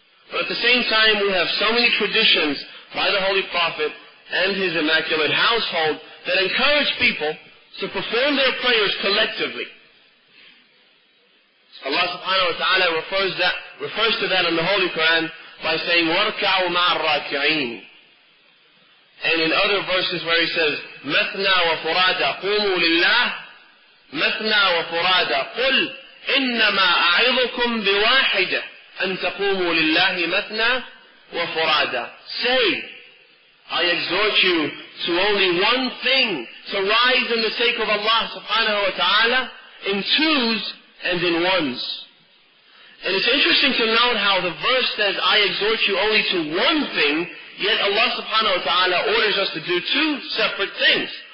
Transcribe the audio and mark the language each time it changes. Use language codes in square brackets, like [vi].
[en] But at the same time, we have so many traditions by the Holy Prophet and his Immaculate Household that encourage people to perform their prayers collectively. Allah subhanahu wa ta'ala refers to that in the Holy Quran by saying, [ar] وَرْكَعُوا مَعَ الرَّاكِعِينَ. [en] And in other verses where he says, [ar] مَثْنَا وَفُرَادَ قُومُوا لِلَّهِ مَثْنَا وَفُرَادَ قُلْ إِنَّمَا أَعِظُكُمْ بِوَاحِدَةً أَن تَقُومُوا لِلَّهِ مَثْنَا وَفُرَادَ. [en] Say, I exhort you to only one thing, to rise in the sake of Allah subhanahu wa ta'ala in twos and in ones. And it's interesting to note how the verse says, I exhort you only to one thing, yet Allah subhanahu wa ta'ala orders us to do two separate things.